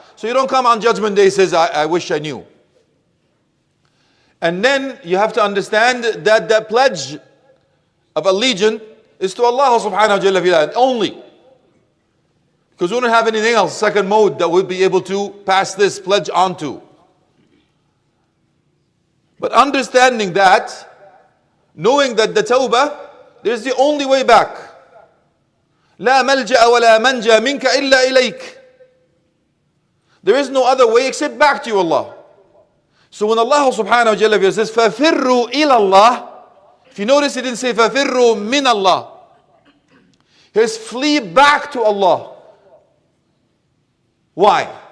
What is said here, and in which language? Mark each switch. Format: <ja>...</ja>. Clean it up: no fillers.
<en>So you don't come on judgment day, he says, I wish I knew. And then you have to understand that the pledge of allegiance is to Allah subhanahu wa ta'ala only. Because we don't have anything else, second mode, that we'd be able to pass this pledge on to. But understanding that, knowing that the tawbah, there's the only way back.</en> <ar>لا ملجأ ولا منجا منك إلا إليك.</ar> <en>There is no other way except back to you, Allah. So when Allah subhanahu wa jalla says,</en> <ar>فَفِرُّوا إِلَى اللَّهِ,</ar> <en>if you notice, he didn't say,</en> <ar>فَفِرُّوا مِنَ اللَّهِ.</ar> <en>He says, flee back to Allah. Why?</en>